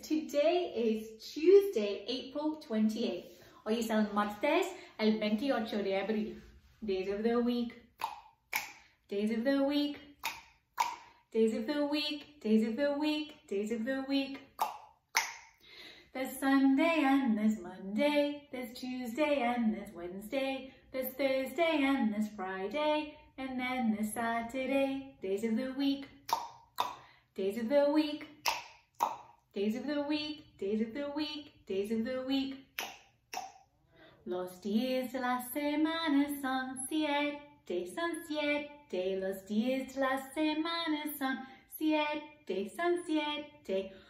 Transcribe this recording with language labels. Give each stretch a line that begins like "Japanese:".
English: Today is Tuesday, April 28th.
Spanish: Hoy es el martes, el 28 de abril.
English: Days of the week. Days of the week. Days of the week, days of the week, days of the week. There's Sunday and there's Monday. There's Tuesday and there's Wednesday. There's Thursday and there's Friday. And then there's Saturday. Days of the week. Days of the week. Days of the week, days of the week, days of the week.
Spanish: Los días de la semana son siete, son siete. De los días de la semana son siete, son siete.